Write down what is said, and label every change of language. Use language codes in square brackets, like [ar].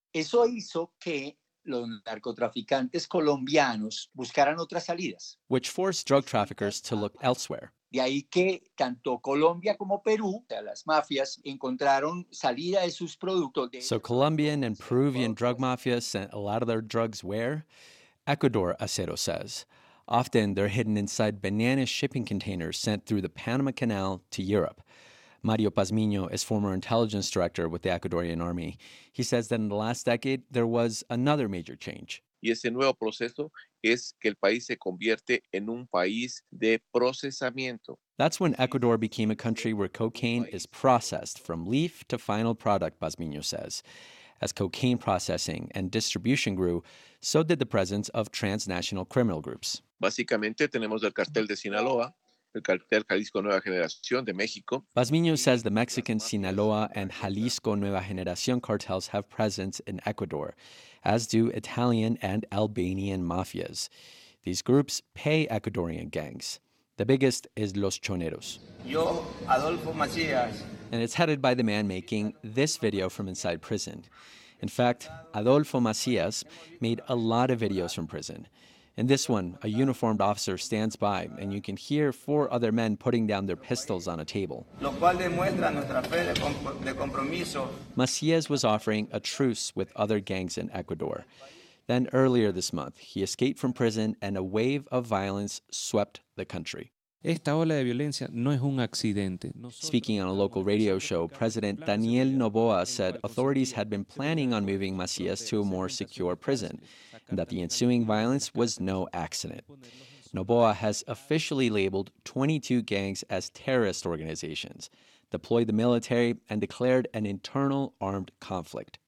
[es] Eso hizo que los narcotraficantes colombianos buscaran otras salidas. [en] Which forced drug traffickers to look elsewhere. [es] De ahí que tanto Colombia como Perú, las mafias, encontraron salida de sus productos. [en] So Colombian and Peruvian drug mafias sent a lot of their drugs where? Ecuador, Acero says. Often they're hidden inside banana shipping containers sent through the Panama Canal to Europe. Mario Pazmiño is former intelligence director with the Ecuadorian army. He says that in the last decade, there was another major change. [es] Y ese nuevo proceso es que el país se convierte en un país de procesamiento. [en] That's when Ecuador became a country where cocaine is processed from leaf to final product, Pazmiño says. As cocaine processing and distribution grew, so did the presence of transnational criminal groups. [es] Básicamente tenemos el cartel de Sinaloa, el cartel Jalisco Nueva Generación de México. [en] Pazmiño says the Mexican Sinaloa and Jalisco Nueva Generación cartels have presence in Ecuador, as do Italian and Albanian mafias. These groups pay Ecuadorian gangs. The biggest is Los Choneros. [es] Yo, Adolfo Macías. [en] And it's headed by the man making this video from inside prison. In fact, Adolfo Macías made a lot of videos from prison. In this one, a uniformed officer stands by, and you can hear four other men putting down their pistols on a table. [es] Lo cual demuestra nuestra fe de compromiso. [en] Macías was offering a truce with other gangs in Ecuador. Then earlier this month, he escaped from prison, and a wave of violence swept the country. [es] Esta ola de violencia no es un accidente. [en] Speaking on a local radio show, President Daniel Noboa said authorities had been planning on moving Macías to a more secure prison, and that the ensuing violence was no accident. Noboa has officially labeled 22 gangs as terrorist organizations, deployed the military, and declared an internal armed conflict.